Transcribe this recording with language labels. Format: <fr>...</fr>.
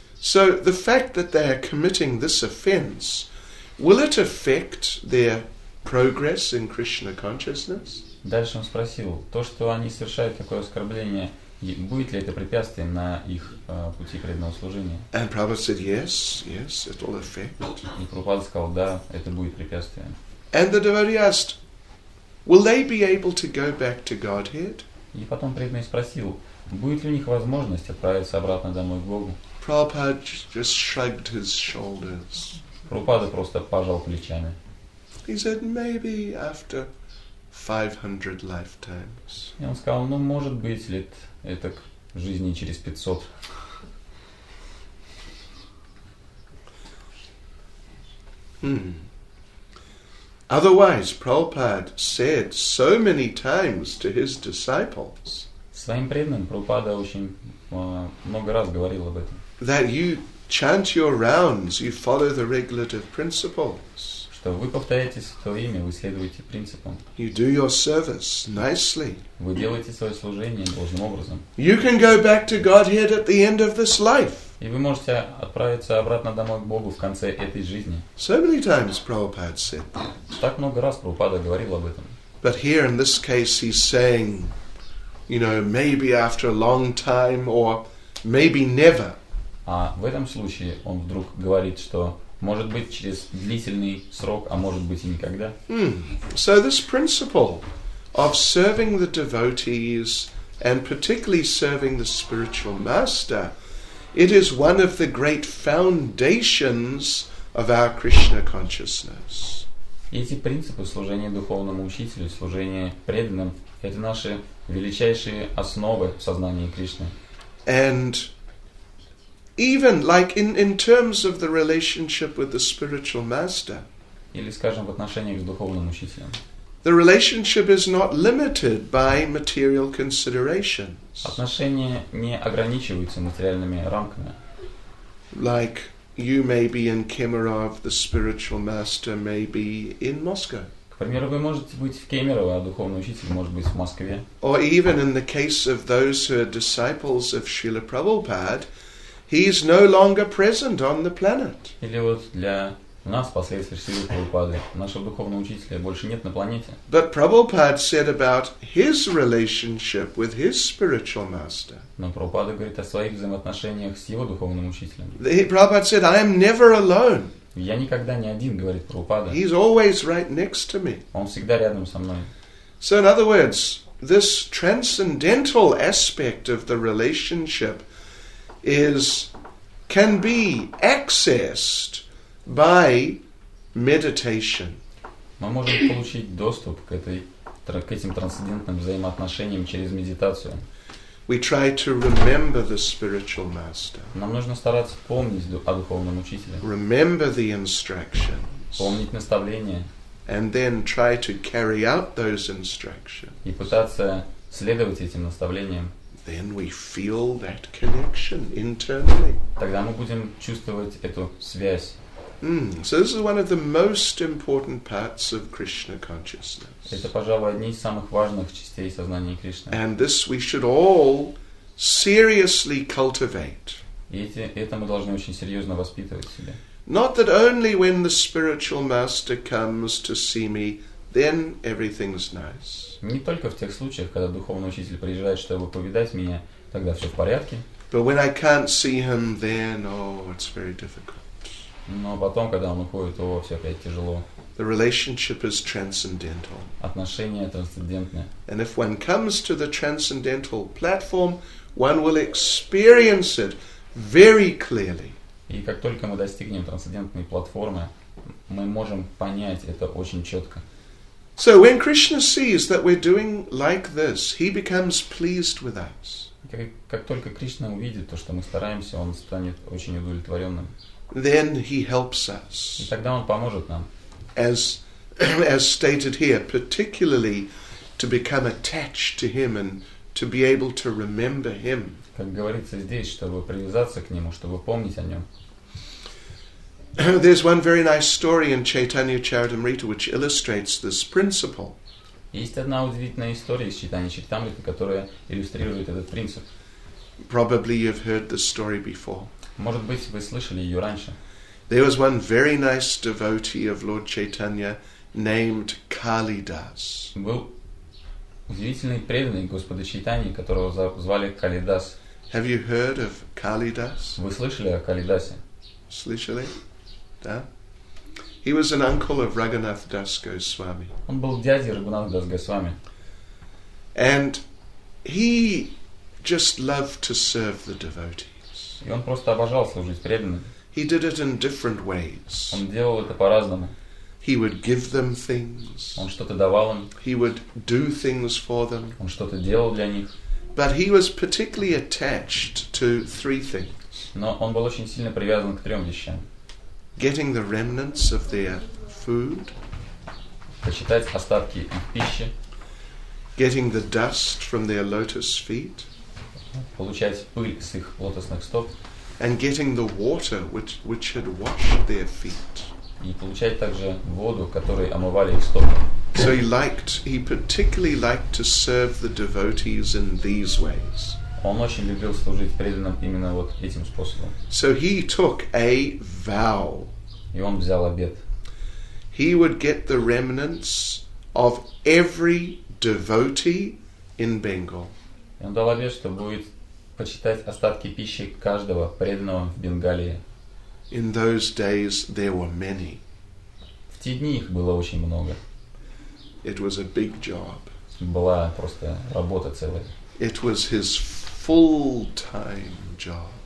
<en>So the fact that they are committing this offense, will it affect their progress in Krishna consciousness?</en> <ru>Дальше он спросил: то, что они совершают такое оскорбление, будет ли это препятствием на их пути преданного служения?</ru> <en>And Prabhupada said, yes, it will affect.</en> <ru>И Прабхупада сказал: да, это будет препятствием.</ru> <en>And the devotee asked, will they be able to go back to Godhead?</en> <ru>И потом преданный спросил: будет ли у них возможность отправиться обратно домой к Богу?</ru> <en>Prabhupada just shrugged his shoulders.</en> <ru>Прабхупада просто пожал плечами.</ru> <en>He said, maybe after 500 lifetimes.</en> <ru>И он сказал: ну, может быть, лет этак жизни через 500.</ru> <en>Otherwise, Prabhupada said so many times to his disciples.</en> <ru>Своим преданным Прабхупада очень много раз говорил об этом.</ru> <en>That you chant your rounds, you follow the regulative principles.</en> <ru>Что вы повторяете Святое Имя, вы следуете принципам.</ru> <en>You do your service nicely.</en> <ru>Вы делаете свое служение должным образом.</ru> <en>You can go back to Godhead at the end of this life.</en> <ru>И вы можете отправиться обратно домой к Богу в конце этой жизни.</ru> <en>So many times Prabhupada said that.</en> <ru>Так много раз Прабхупада говорил об этом.</ru> <en>But here in this case he's saying, you know, maybe after a long time or maybe never.</en> <ru>А в этом случае он вдруг говорит, что может быть через длительный срок, а может быть и никогда.</ru> <en>So this principle of serving the devotees and particularly serving the spiritual master, it is one of the great foundations of our Krishna consciousness.</en> <ru>Эти принципы служения духовному учителю, служения преданным, это наши величайшие основы в сознании Кришны.</ru> <en>And even like in terms of the relationship with the spiritual master.</en> <ru>Или, скажем, в отношениях с духовным учителем.</ru> <en>The relationship is not limited by material considerations.</en> <ru>Отношения не ограничиваются материальными рамками.</ru> <en>Like you may be in Kemerov, the spiritual master may be in Moscow.</en> <ru>К примеру, вы можете быть в Кемерово, а духовный учитель может быть в Москве.</ru> <en>Or even in the case of those who are disciples of Srila Prabhupada, he is no longer present on the planet.</en> <ru>Или вот для нас, последствия Шрилы Прабхупады, нашего духовного учителя больше нет на планете.</ru> <en>But Prabhupada said about his relationship with his spiritual master.</en> <ru>Но Прабхупада говорит о своих взаимоотношениях с его духовным учителем.</ru> <en>Prabhupada said, I am never alone.</en> <ru>Я никогда не один, говорит Прабхупада.</ru> <en>He is always right next to me.</en> <ru>Он всегда рядом со мной.</ru> <en>So in other words, this transcendental aspect of the relationship can be accessed by meditation.</en> <ru>Мы можем получить доступ к этим трансцендентным взаимоотношениям через медитацию.</ru> <en>We try to remember the spiritual master.</en> <ru>Нам нужно стараться помнить о духовном учителе.</ru> <en>Remember the instructions.</en> <ru>Помнить наставления.</ru> <en>and then try to carry out those instructions,</en> <ru>и пытаться следовать этим наставлениям,</ru> <en>then we feel that connection internally.</en> <ru>Тогда мы будем чувствовать эту связь.</ru> <en>So this is one of the most important parts of Krishna consciousness.</en> <ru>Это, пожалуй, одни из самых важных частей сознания Кришны.</ru> <en>And this we should all seriously cultivate.</en> <ru>Это мы должны очень серьезно воспитывать в себе.</ru> <en>Not that only when the spiritual master comes to see me, then everything's nice.</en> <ru>Не только в тех случаях, когда духовный учитель приезжает, чтобы повидать меня, тогда все в порядке.</ru> <en>But when I can't see him, then it's very difficult.</en> <ru>Но потом, когда он уходит, все опять тяжело.</ru> <en>The relationship is transcendental.</en> <ru>Отношения трансцендентные.</ru> <en>And if one comes to the transcendental platform, one will experience it very clearly.</en> <ru>И как только мы достигнем трансцендентной платформы, мы можем понять это очень четко.</ru> <en>So when Krishna sees that we're doing like this, he becomes pleased with us.</en> <ru>Как только Кришна увидит то, что мы стараемся, он станет очень удовлетворенным.</ru> <en>Then he helps us.</en> <ru>И тогда он поможет нам.</ru> <en>As stated here, particularly to become attached to him and to be able to remember him.</en> <ru>Как говорится здесь, чтобы привязаться к нему, чтобы помнить о нем.</ru> <en>There's one very nice story in Chaitanya Charitamrita which illustrates this principle.</en> <ru>Есть одна удивительная история из Чайтаньи Чаритамриты, которая иллюстрирует этот принцип.</ru> <en>Probably you've heard this story before.</en> <ru>Может быть, вы слышали ее раньше.</ru> <en>There was one very nice devotee of Lord Chaitanya named Kalidas.</en> <ru>Был удивительный преданный Господа Чайтаньи, которого звали Калидас.</ru> <en>Have you heard of Kalidas?</en> <ru>Вы слышали о Калидасе? Слышали? Да.</ru> <en>He was an uncle of Raghunath Das Goswami.</en> <ru>Он был дядей Рагунатха Дас Госвами.</ru> <en>And he just loved to serve the devotee.</en> <ru>И он просто обожал служить преданным.</ru> <en>He did it in different ways.</en> <ru>Он делал это по-разному.</ru> <en>He would give them things.</en> <ru>Он что-то давал им.</ru> <en>He would do things for them.</en> <ru>Он что-то делал для них.</ru> <en>But he was particularly attached to three things.</en> <ru>Но он был очень сильно привязан к трем вещам.</ru> <en>Getting the remnants of their food.</en> <ru>Посчитать остатки их пищи.</ru> <en>Getting the dust from their lotus feet.</en> <ru>Получать пыль с их лотосных стоп.</ru> <en>And getting the water which had washed their feet.</en> <ru>И получать также воду, которой омывали их стопы.</ru> <en>So he particularly liked to serve the devotees in these ways.</en> <ru>Он очень любил служить преданным именно вот этим способом.</ru> <en>So he took a vow.</en> <ru>И он взял обет.</ru> <en>He would get the remnants of every devotee in Bengal.</en> <ru>И он дал обет, что будет почитать остатки пищи каждого преданного в Бенгалии.</ru> <en>In those days there were many.</en> <ru>В те дни их было очень много.</ru> <en>It was a big job.</en> <ru>Была просто работа целая.</ru> <en>It was his full-time job.</en>